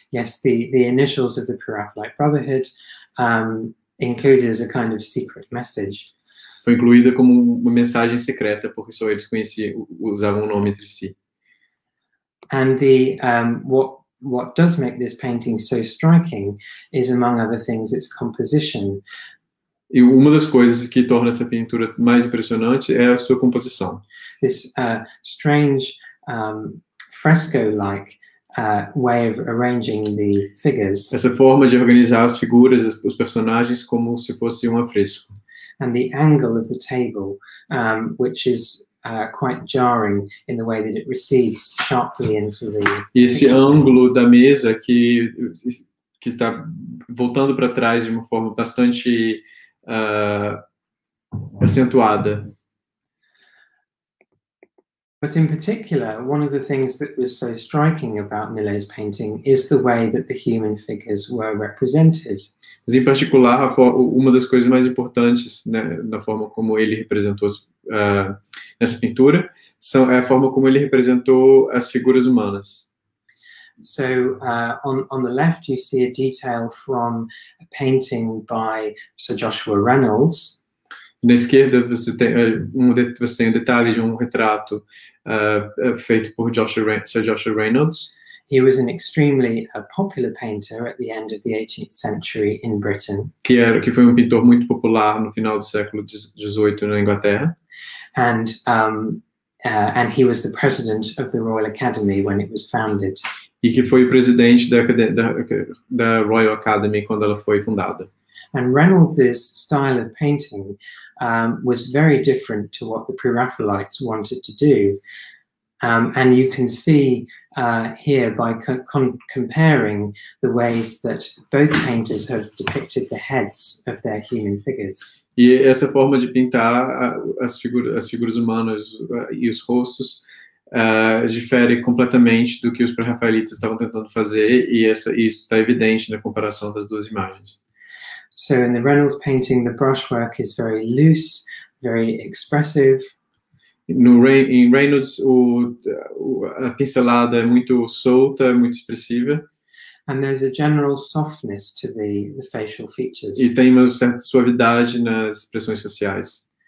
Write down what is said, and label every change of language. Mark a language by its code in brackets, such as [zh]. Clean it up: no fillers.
[en] Yes, the initials of the Pre-Raphaelite Brotherhood, included as a kind of secret message. [pt] Foi incluída como uma mensagem secreta, porque só eles conheciam, usavam o nome entre si. [en] And the what does make this painting so striking is, among other things, its composition. [pt] E uma das coisas que torna essa pintura mais impressionante é a sua composição. [en] This strange fresco-like way of arranging the figures. [pt] Essa forma de organizar as figuras, os personagens, como se fosse um afresco. [en] And the angle of the table, which is quite jarring in the way that it recedes sharply into the. [pt] E esse ângulo da mesa que está voltando para trás de uma forma bastante acentuada. [en] But in particular, one of the things that was so striking about Millet's painting is the way that the human figures were represented. [pt] Mas em particular, uma das coisas mais importantes, né, na forma como ele representou essa pintura, é a forma como ele representou as figuras humanas. [en] So, on the left, you see a detail from a painting by Sir Joshua Reynolds. [pt] Na esquerda, você tem um detalhe de um retrato feito por Sir Joshua Reynolds. [en] He was an extremely popular painter at the end of the 18th century in Britain. [pt] Que foi um pintor muito popular no final do século XVIII na Inglaterra. [en] And he was the president of the Royal Academy when it was founded. [pt] E que foi o presidente da Royal Academy quando ela foi fundada. [en] And Reynolds's style of painting was very different to what the Pre-Raphaelites wanted to do. And you can see here by comparing the ways that both painters have depicted the heads of their human figures. [pt] E essa forma de pintar as figuras humanas e os rostos difere completamente do que os Pre-Raphaelites estavam tentando fazer, e isso está evidente na comparação das duas imagens. [en] So in the Reynolds painting, the brushwork is very loose, very expressive. [pt] Em Reynolds, a pincelada é muito solta, muito expressiva. [en] And there's a general softness to the facial features. [pt] E tem uma certa suavidade nas expressões faciais.